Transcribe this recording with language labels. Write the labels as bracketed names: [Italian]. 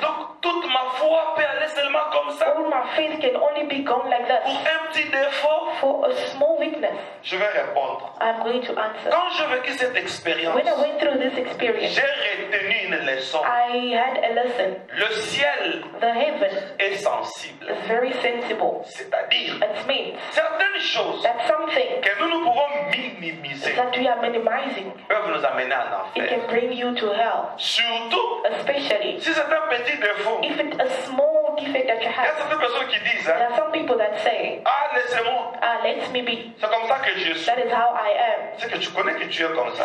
[French] Donc toute ma foi peut aller seulement comme ça. [English] All my faith can only be gone like that. [French] Pour un petit défaut. [English] For a small weakness. [French] Je vais répondre. [English] I'm going to answer. [French] Quand je vécu cette expérience. [English] When I went through this experience. [French] J'ai retenu une leçon. [English] I had a lesson. [French] Le ciel. [English] The heaven. [French] Est sensible. [English] Is very sensible. [French] C'est-à-dire. [English] It means. [French] Certaines choses. [English] That something. [French] Que nous pouvons minimiser. [English] That we are minimizing. [French] Peuvent nous amener en enfer. [English] You to hell. [French] Surtout, [English] especially [French] si c'est un petit défaut, [English] if it's a small defect that you have. [French] Il y a certaines personnes qui disent, hein, [English] there are some people that say, [French] ah, laissez-moi. [English] Ah, let me be. [French] C'est comme ça que je suis. [English] That is how I am. [French] C'est que tu connais que tu es comme ça.